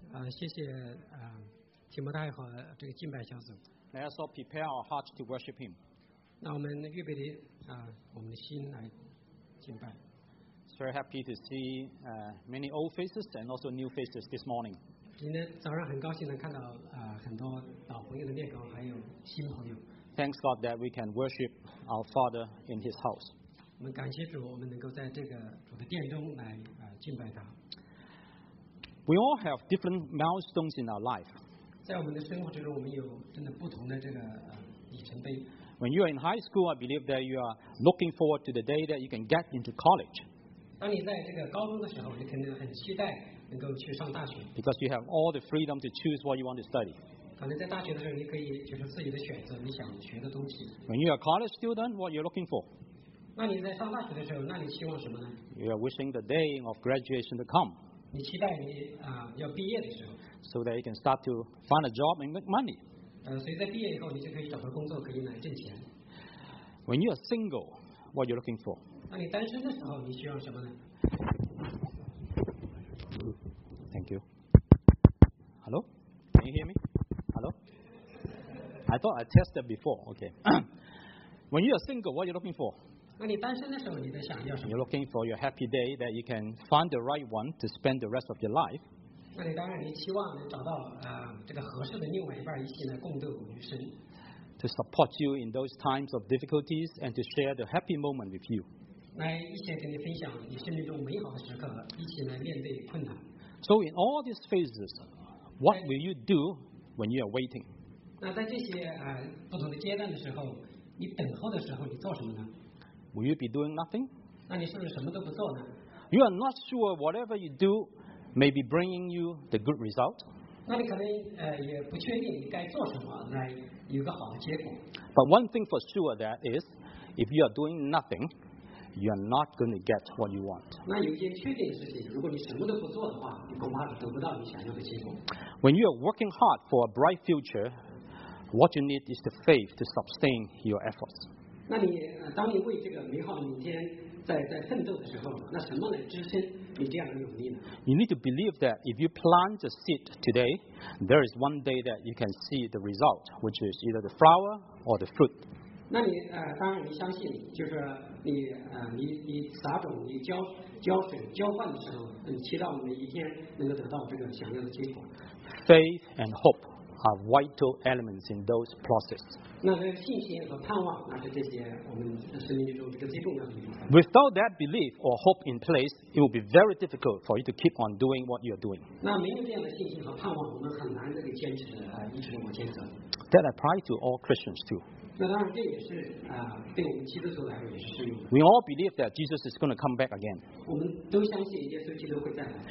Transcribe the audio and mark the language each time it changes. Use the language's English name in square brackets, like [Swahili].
[Chinese] 谢谢提摩太和这个敬拜小组。 [English] Let us all prepare our hearts to worship Him. [Chinese] 那我们预备的我们的心来敬拜。 [English] Very happy to see many old faces and also new faces this morning. [Chinese] 今天早上很高兴能看到很多老朋友的面孔，还有新朋友。 [English] Thanks God that we can worship our Father in His house. [Chinese] 我们感谢主，我们能够在这个主的殿中来敬拜他。 [English] We all have different milestones in our life. [Chinese] 在我们的生活之中，我们有真的不同的这个里程碑。 [English] When you are in high school, I believe that you are looking forward to the day that you can get into college. [Chinese] 当你在这个高中的时候，你肯定很期待能够去上大学。 [English] Because you have all the freedom to choose what you want to study. [Chinese] 可能在大学的时候，你可以就是自己的选择你想学的东西。 [English] When you are a college student, what you're looking for? [Chinese] 那你在上大学的时候，那你期望什么呢？ [English] You are wishing the day of graduation to come. [Chinese] 你期待你要毕业的时候。 [English] So that you can start to find a job and make money. [Chinese] 所以在毕业以后，你就可以找到工作，可以来挣钱。 [English] When you are single, what you're looking for? [Chinese] 那你单身的时候，你需要什么呢 [English] ？Thank you. Hello, can you hear me? Hello. I thought I tested before. Okay. When you are single, what are you looking for? [Chinese] 那你单身的时候，你在想要什么 [English] ？You're looking for your happy day that you can find the right one to spend the rest of your life. [Chinese] 那你当然，你期望能找到这个合适的另外一半，一起来共度余生。 [English] To support you in those times of difficulties and to share the happy moment with you. [Chinese] 来一起跟你分享你生命中美好的时刻，一起来面对困难。 [English] So in all these phases, what will you do when you are waiting? [Chinese] 那在这些不同的阶段的时候，你等候的时候，你做什么呢？ [English] Will you be doing nothing? [Chinese] 那你是不是什么都不做呢？ [English] You are not sure whatever you do may be bringing you the good result. [Chinese] 那你可能也不确定你该做什么来有个好的结果。 [English] But one thing for sure that is, if you are doing nothing. You are not going to get what you want. [Chinese] 那有些确定的事情，如果你什么都不做的话，你恐怕是得不到你想要的结果。 [English] When you are working hard for a bright future, what you need is the faith to sustain your efforts. [Chinese] 那你当你为这个美好的明天在奋斗的时候，那什么来支撑你这样的努力呢？ [English] You need to believe that if you plant a seed today, there is one day that you can see the result, which is either the flower or the fruit. [Chinese] 那你当然你相信，就是你撒种，你浇水浇灌的时候，你期待每一天能够得到这个想要的结果。 [English] Faith and hope are vital elements in those processes. [Chinese] 那是信心和盼望，那是这些我们生命中一个最重要的东西。 [English] Without that belief or hope in place, it will be very difficult for you to keep on doing what you are doing. [Chinese] 那没有这样的信心和盼望，我们很难这个坚持一直往前走。 [English] That applies to all Christians too. [Chinese] 那当然，这也是对我们基督徒来说也是适用的。 [English] We all believe that Jesus is going to come back again. [Chinese] 我们都相信耶稣基督会再来。